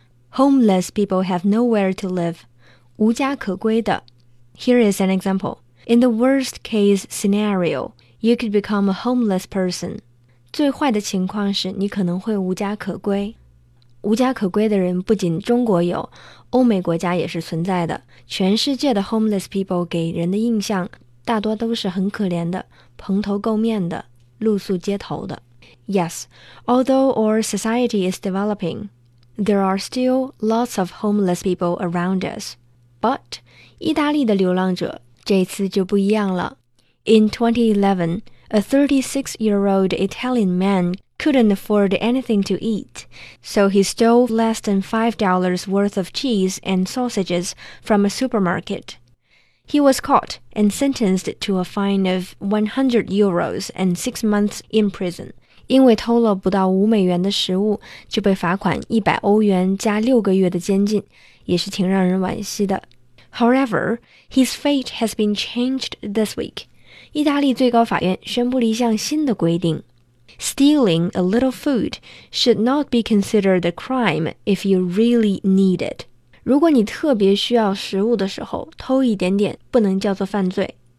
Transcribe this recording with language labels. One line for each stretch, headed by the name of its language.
English: Homeless people have nowhere to live.
Chinese: 无家可归的.
English: Here is an example. In the worst case scenario, you could become a homeless person.
Chinese: 最坏的情况是你可能会无家可归。无家可归的人不仅中国有，欧美国家也是存在的。全世界的
English: homeless people
Chinese: 给人的印象大多都是很可怜的，蓬头垢面的，露宿街头的。
English: Yes, although our society is developing, there are still lots of homeless people around us.
Chinese: But, 意大利的流浪者这次就不一样了。
English: In 2011, a 36-year-old Italian man couldn't afford anything to eat, so he stole less than $5 worth of cheese and sausages from a supermarket. He was caught and sentenced to a fine of 100 euros and 6 months in prison.
Chinese: 因为偷了不到5美元的食物，就被罚款100欧元加6个月的监禁，也是挺让人惋惜的。
English: However, his fate has been changed this week.
Chinese: 意大利最高法院宣布了一项新的规定。
English: Stealing a little food should not be considered a crime if you really need it.
Chinese: 如果你特别需要食物的时候，偷一点点不能叫做犯罪。